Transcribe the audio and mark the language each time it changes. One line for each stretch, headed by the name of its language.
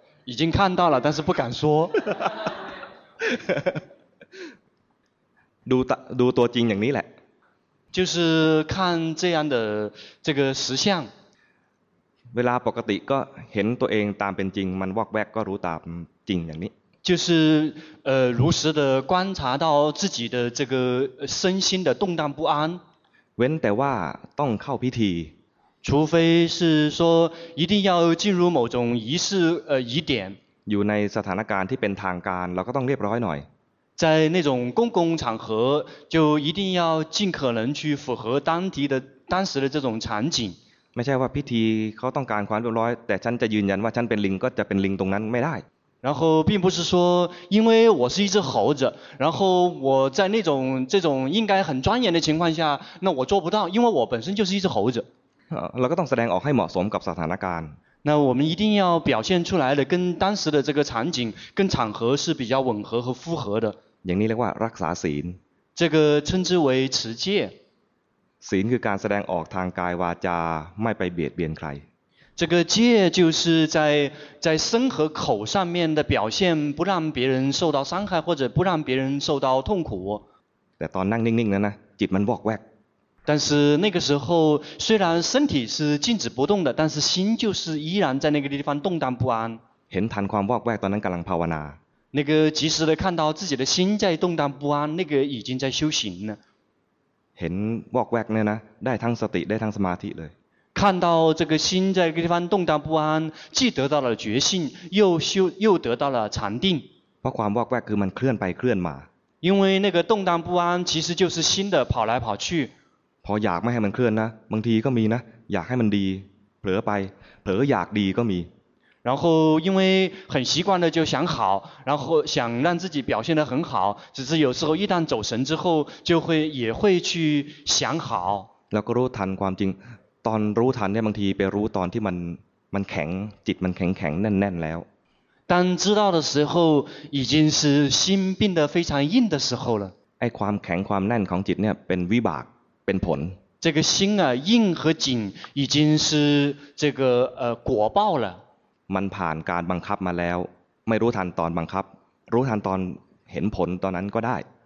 Chinese: 已经看到了但是不敢说
Thai: ดูตัวจริงอย่างนี้แหละ
Chinese: 就是看这样的这个实相
Thai: เวลาปกติก็เห็นตัวเองตามเป็นจริงมันวอกแวกก็รู้ตามจริงอย่างนี้
Chinese: 就是如实的观察到自己的这个身心的动荡不安
Thai: เว้นแต่ว่าต้องเข้าพิธี
Chinese: 除非是说一定要进入某种仪式仪典
Thai: อยู่ในสถานการณ์ที่เป็นทางการเราก็ต้องเรียบร้อยหน่อย
Chinese: 在那种公共场合就一定要尽可能去符合当时的这种场景
Thai: ไม่ใช่ว่าพิธีเขาต้องการความเรียบร้อยแต่ฉันจะยืนยันว่าฉันเป็นลิงก็จะเป็นลิงตรงนั้นไม่ได้
Chinese: 然后并不是说因为我是一只猴子然后我在那种这种应该很庄严的情况下那我做不到因为我本身就是一只猴子
Thai: เราก็ต้องแสดงออกให้เหมาะสมกับสถานการณ์
Chinese: 那我们一定要表现出来的跟当时的这个场景跟场合是比较吻合和符合的。
Thai: อย่างนี้เรียกว่ารักษาศีล
Chinese: 这个称之为持戒。
Thai: ศีลคือการแสดงออกทางกายวาจาไม่ไปเบียดเบียนใคร
Chinese: 这个戒就是在身和口上面的表现，不让别人受到伤害或者不让别人受到痛苦。
Thai: แต่ตอนนั่งนิ่งๆแล้วนะจิตมันวอกแวก
Chinese: 但是那个时候虽然身体是静止不动的，但是心就是依然在那个地方动荡不安。
Thai: เห็นทันความวอกแวกตอนนั้นกำลังภาวนา
Chinese: 那个及时的看到自己的心在动荡不安，那个已经在修行了。
Thai: เห็นวอกแวกเนี่ยนะได้ทั้งสติได้ทั้งสมาธิเลย
Chinese: 看到这个心在这个地方动荡不安，既得到了觉性，又得到了禅定。
Thai: เพราะความวอกแวกคือมันเคลื่อนไปเคลื่อนมา
Chinese: 因为那个动荡不安其实就是心的跑来跑去。
Thai: พออยากไม่ให้มันเคลื่อนนะบางทีก็มีนะอยากให้มันดีเผลอไปเผลออยากดีก็มี
Chinese: 然后因为很习惯的就想好然后想让自己表现得很好只是有时候一旦走神之后就会也会去想好
Thai: แล้วก็รู้ทันความจริงตอนรู้ทันเนี่ยบางทีไปรู้ตอนที่มันแข็งจิตมันแข็งแข็งแน่นแน่นแล้ว
Chinese: 当知道的时候已经是心病得非常硬的时候了
Thai: ไอ้ความแข็งความแน่นของจิตเนี่ยเป็นวิบากเป็นผล
Chinese: 这个心啊硬和紧已经是这个果报了
Thai: มันผ่านการบังคับมาแล้วไม่รู้ทันตอนบังคับรู้ทันตอนเห็นผลตอนนั้นก็ได้